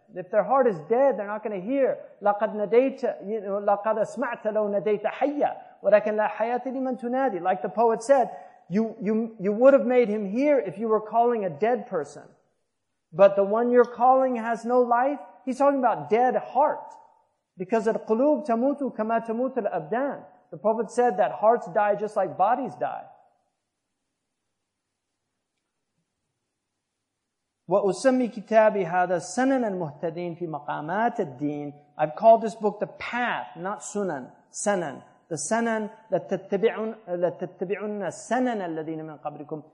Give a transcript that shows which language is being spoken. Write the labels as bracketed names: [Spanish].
[English] If their heart is dead, they're not going to hear. [Arabic] لَقَدْ نَدَيْتَ لَقَدْ أَسْمَعْتَ لَوْ نَدَيْتَ حَيَّ وَلَكَنْ لَا حَيَاتِ لِمَنْ تُنَادِي. [English] Like the poet said, you would have made him hear if you were calling a dead person. But the one you're calling has no life. He's talking about dead heart. Because [Arabic] الْقُلُوبُ تَمُوتُ كَمَا تَمُوتُ الْأَبْدَانِ. [English] The Prophet said that hearts die just like bodies die. [Arabic] وَأُسَمِّي كِتَابِي هَذَا سَنَنَ الْمُهْتَدِينَ فِي مَقَامَاتِ الدِّينِ. [English] I've called this book the path, not sunan, sanan. [Arabic] The sanan, لَتَتَّبِعُنَّ سَنَنَ الَّذِينَ مِنْ قَبْلِكُمْ.